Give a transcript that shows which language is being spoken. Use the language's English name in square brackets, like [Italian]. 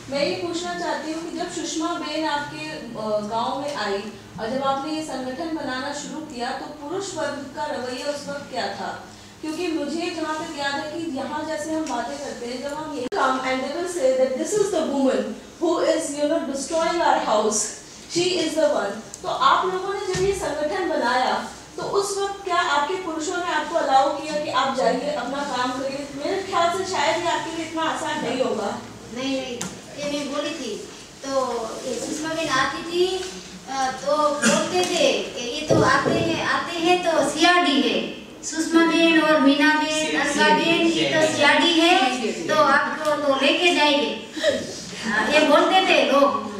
[Hindi] मैं ये पूछना चाहती हूँ कि जब सुषमा बेन आपके गांव में आई और जब आपने ये संगठन बनाना शुरू किया तो पुरुष वर्ग का रवैया उस वक्त क्या था? क्योंकि मुझे जहाँ तक याद है कि यहाँ जैसे हम बातें करते हैं जब हम ये काम [English] and they will say that this is the woman who is you know destroying our house, she is the one. [Hindi] तो आप लोगों ने जब ये संगठन बनाया तो उस वक्त क्या आपके पुरुषों ने आपको अलाउ किया कि आप जाइए अपना काम करिए? मेरे ख्याल से शायद ये आपके लिए इतना आसान नहीं होगा। नहीं, ये मैं बोली थी तो सुषमा बेन आती थी तो बोलते थे ये तो आते हैं तो सीआरडी है, सुषमा बेन और मीना बेन अंगा बेन ये तो सीआरडी है तो आपको तो लेके जाएंगे, ये बोलते थे लोग।